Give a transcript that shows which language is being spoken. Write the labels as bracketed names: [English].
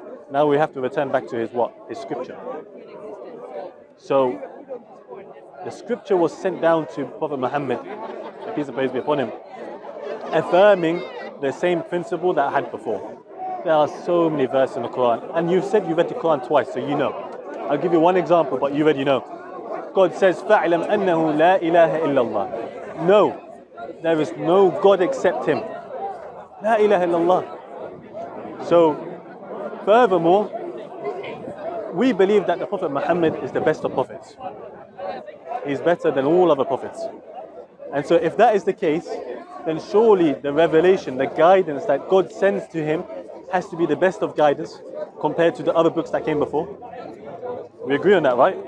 [English] Now we have to return back to his scripture. So the scripture was sent down to Prophet Muhammad, peace and praise be upon him, affirming the same principle that I had before. There are so many verses in the Quran, and you've said you read the Quran twice, so you know. I'll give you one example, but you already know. God says, [Arabic] فَعْلَمْ أَنَّهُ لَا إِلَهَ إِلَّا اللَّهِ. [English] No, there is no God except Him. [Arabic] لا إله إلا الله. [English] So, furthermore, we believe that the Prophet Muhammad is the best of prophets. He's better than all other prophets. And so if that is the case, then surely the revelation, the guidance that God sends to him has to be the best of guidance compared to the other books that came before. We agree on that, right?